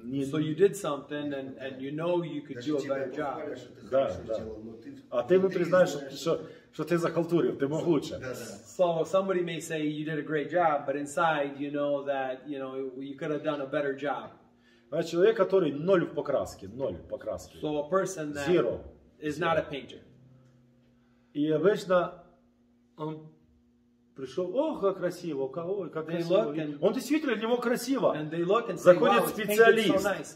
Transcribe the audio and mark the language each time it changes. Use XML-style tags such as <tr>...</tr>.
<en>So you did something and you know you could do a better job.</en> <ru>Да, да. А ты бы признаешь, что ты закалтурил, ты мог лучше.</ru> <en>So somebody may say you did a great job, but inside you know that, you know, you could have done a better job.</en> <ru>Человек, который ноль в покраске.</ru> <en>So a person that zero is not a painter.</en> <ru>И обычно он пришел, ох, как красиво, ой, как</ru> <en>they</en> <ru>красиво. Он действительно для него красиво.</ru> <en>Say,</en> <ru>заходит</ru> <en>wow,</en> <ru>специалист.</ru>